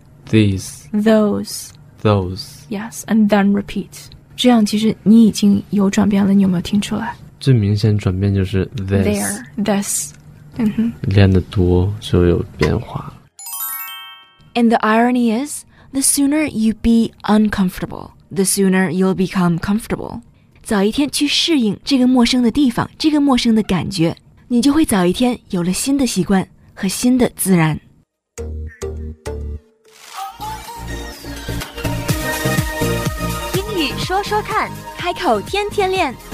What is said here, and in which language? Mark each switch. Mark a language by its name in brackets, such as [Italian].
[English] There, then, that, theirs, them, this, these, those. Yes, and then repeat. [Chinese] 这样其实你已经有转变了，你有没有听出来？最明显转变就是 this. [English] There, this. [Chinese] 练得多就有变化。 [English] And the irony is, the sooner you be uncomfortable,The sooner you'll become comfortable. [Chinese] 早一天去适应这个陌生的地方，这个陌生的感觉，你就会早一天有了新的习惯和新的自然。英语说说看，开口天天练。